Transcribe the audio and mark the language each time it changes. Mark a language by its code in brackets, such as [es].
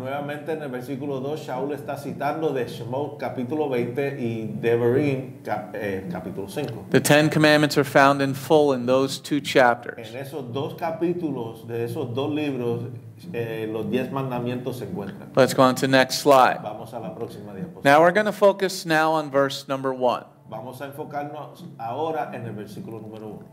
[es] Nuevamente en el versículo 2, Shaul está citando de Shemot capítulo 20 y Devarim capítulo 5. [en] The Ten Commandments are found in full in those two chapters. [es] En esos dos capítulos, de esos dos libros, los 10 mandamientos se encuentran. [en] Let's go on to the next slide. [es] Vamos a la próxima diapositiva. [en] Now we're going to focus now on verse number 1. [es] Vamos a enfocarnos ahora en el versículo número 1.